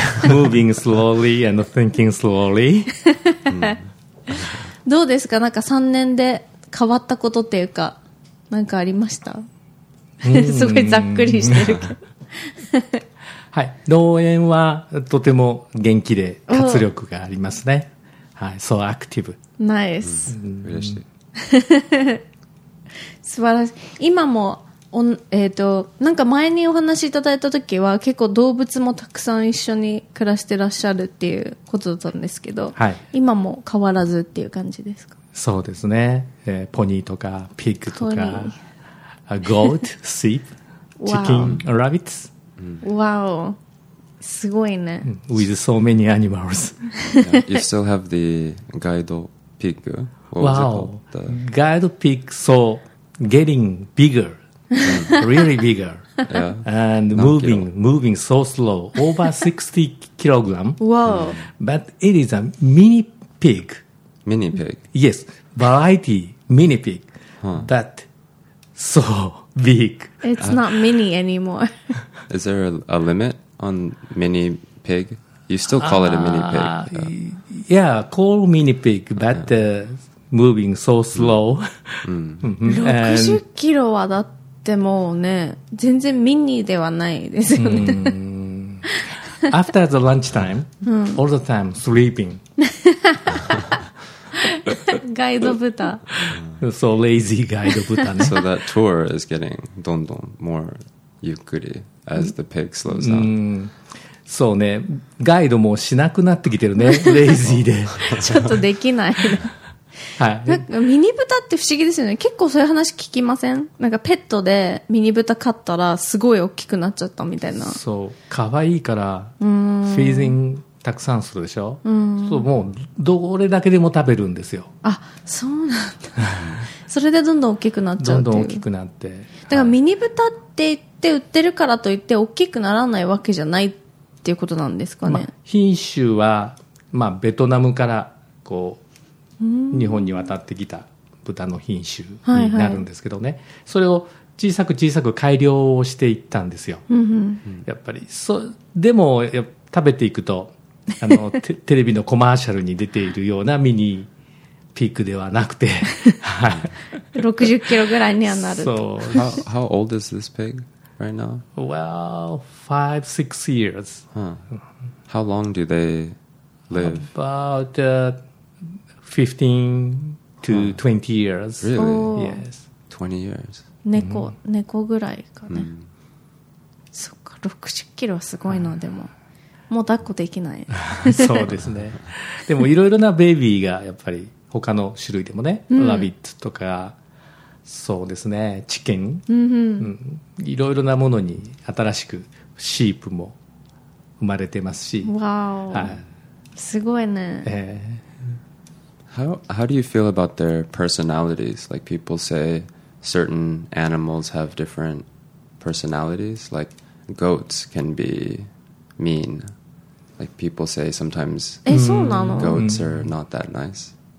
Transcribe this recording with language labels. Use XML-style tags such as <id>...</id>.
<en>Moving slowly and thinking slowly.</en> <ja>どうですか？なんか3年で変わったことっていうか、なんかありました？すごいざっくりしてるけど。はい。農園はとても元気で活力がありますね。</ja> <en>はい。So active. Nice.</en> <ja>嬉しい。素晴らしい。今も、なんか前にお話いただいた時は結構動物もたくさん一緒に暮らしてらっしゃるっていうことだったんですけど、はい、今も変わらずっていう感じですか？そうですね、ポニーとかピッグとかゴート、シープ、チキン、ラビッツ、わお、すごいね。</ja> <en>With so many animals. You still have the guide pig? Wow. Guide pig so getting biggerreally bigger、 yeah. and moving so slow, over 60 kilograms. Wow. But it is a mini pig. Mini pig? Yes, variety mini pig. That so big. It's not mini anymore. Is there a limit on mini pig? You still call it a mini pig. Yeah, call mini pig, but、moving so slow.</en> <ja>60 kilo はだってでもね、全然ミニではないですよね。</ja> <en>After the lunch time, all the time sleeping.</en> <ja>ガイド豚。</ja> <en>So lazy ガイド豚ね。 So that tour is getting どんどん more ゆっくり as the pig slows down.</en> <ja>そうね、ガイドもしなくなってきてるね、lazy で。ちょっとできない、ね。はい、なんかミニブタって不思議ですよね。結構そういう話聞きません？なんかペットでミニブタ飼ったらすごい大きくなっちゃったみたいな。そう、可愛いからフィーディングたくさんするでしょ。そう、もうどれだけでも食べるんですよ。あ、そうなんだ。それでどんどん大きくなっちゃ う, っていう。どんどん大きくなって。だからミニブタって言って売ってるからといって大きくならないわけじゃないっていうことなんですかね。まあ、品種はまあベトナムからこう。日本に渡ってきた豚の品種になるんですけどね、はいはい、それを小さく小さく改良をしていったんですよ、うんうん、やっぱりでも食べていくとテレビのコマーシャルに出ているようなミニピックではなくて 60キロぐらいにはなる。そう、</ja> <en>How old is this pig right now? Well, 5-6 years、 huh. How long do they live? About 15 to 20 years. Really? Yes. 20 years.</en> <ja>猫、猫ぐらいかね。そっか、60キロはすごいな、でも。もう抱っこできない。そうですね。でも、いろいろなベイビーが、やっぱり、他の種類でもね、ラビットとか、そうですね、チキン、いろいろなものに、新しく、シープも生まれてますし。わお。すごいね。</ja> <en>How do you feel about their personalities? Like people say certain animals have different personalities. Like goats can be mean. Like people say sometimes goats are not that nice.</en>